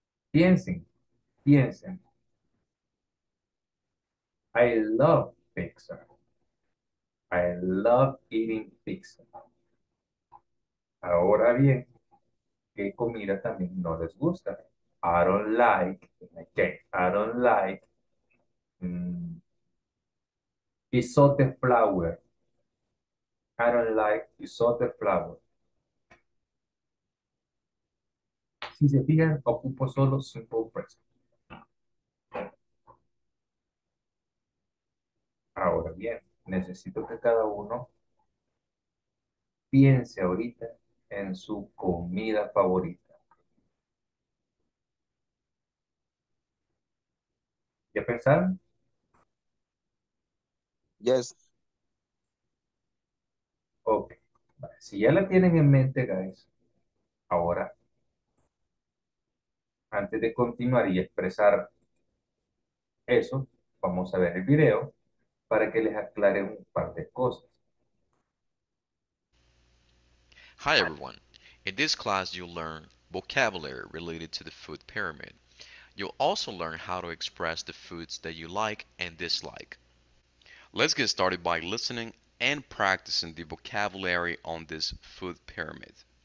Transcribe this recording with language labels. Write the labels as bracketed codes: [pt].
[es] Piensen. [en] I love pizza. I love eating pizza. [es] Ahora bien, ¿qué comida también no les gusta? [en] I don't like, okay, I don't like isote flour. I don't like isote flour. [es] Si se fijan, ocupo solo simple present. Ahora bien, necesito que cada uno piense ahorita en su comida favorita. ¿Ya pensaron? [en] Yes. Ok. [es] Si ya la tienen en mente, guys, ahora, antes de continuar y expresar eso, vamos a ver el video para que les aclare un par de cosas. [en] Hi, everyone. In this class, you'll learn vocabulary related to the food pyramid. You'll also learn how to express the foods that you like and dislike. Let's get started by listening and practicing the vocabulary on this food pyramid.